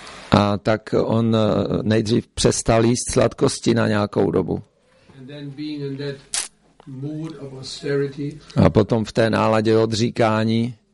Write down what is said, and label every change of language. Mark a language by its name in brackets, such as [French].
[Czech] A tak on nejdřív přestal jíst sladkosti na nějakou dobu. [English] And then being in that mood of austerity, [Czech] a potom v té náladě odříkání